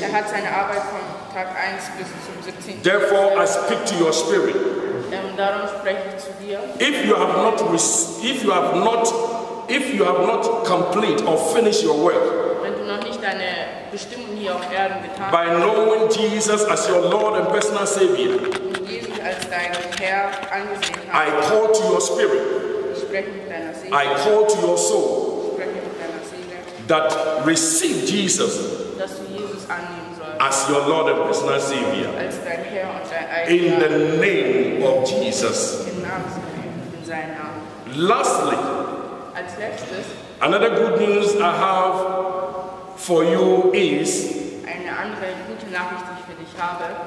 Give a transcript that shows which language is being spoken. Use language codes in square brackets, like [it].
[de] Er hat seine Arbeit von Tag 1 bis zum 17. [en] Therefore, I speak to your spirit. [de] Darum spreche ich zu dir. [en] If you have not complete or finished your work, [de] wenn du noch nicht deine Bestimmung hier auf Erden getan hast, [en] by knowing Jesus as your Lord and personal Savior, [de] Jesus als dein Herr angesehen hast, [en] I call to your spirit. [de] Ich spreche mit deiner Seele. [en] I call to your soul. That receive Jesus, [de] dass du Jesus annehmen sollst, [en] as your Lord and personal Savior, [de] als dein Herr und dein Eigner, [en] in the name of Jesus. [de] Im Namen, in seinem Namen. [en] Lastly, [de] als letztes, [en] another good news I have for you is, [de] eine andere gute Nachricht, die ich für dich habe,